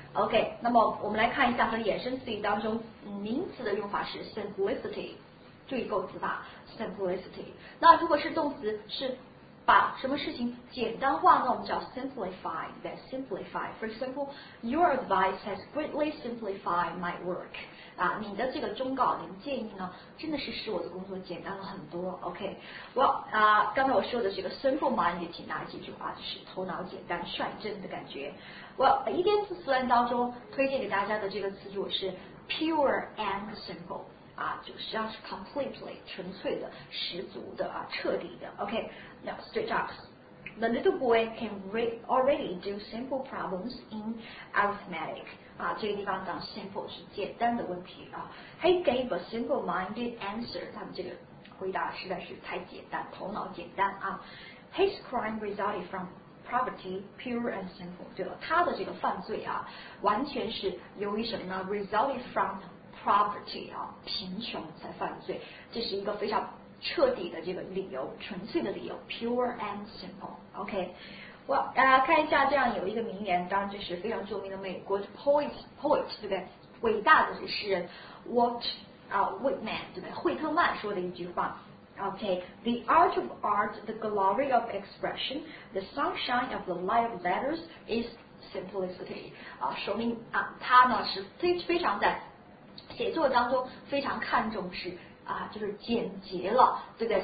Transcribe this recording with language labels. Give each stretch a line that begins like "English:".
Chinese: OK, 那么我们来看一下和衍生词语当中名词的用法是 simplicity. 注意构词吧， simplicity. 那如果是动词是把什么事情简单化呢？我们叫 simplify.
English: That simplify. For example, your advice has greatly simplified my work.
Chinese: 啊，你的这个忠告、你的建议呢，真的是使我的工作简单了很多。 OK. Well, 啊，刚才我说的这个 simple minded， 请大家记住啊，就是头脑简单、率真的感觉。 Well, 一篇词词典当中推荐给大家的这个词组是
English: pure and simple。
Chinese: 啊，就实际上是 completely 纯粹的、十足的啊、彻底的。
English: OK, now straight up, the little boy can already do simple problems in arithmetic.
Chinese: 啊，这个地方讲 simple 是简单的问题啊。
English: He gave a simple-minded answer.
Chinese: 他们这个回答实在是太简单，头脑简单啊。
English: His crime resulted from poverty, pure and simple.
Chinese: 对了，他的这个犯罪啊，完全是由于什么呢 ？
English: Resulted from property
Chinese: 啊，贫穷才犯罪，这是一个非常彻底的这个理由，纯粹的理由 ，
English: pure and simple.
Chinese: OK, well, 看一下这样有一个名言，当然这是非常著名的美国的 poet 对不对？伟大的诗人 Walt Whitman 对不对？惠特曼说的一句话。
English: OK, the art of art, the glory of expression, the sunshine of the light of letters is simplicity.
Chinese: 啊，说明啊，他呢是非常在写作当中非常看重是啊，就是简洁了，对不对？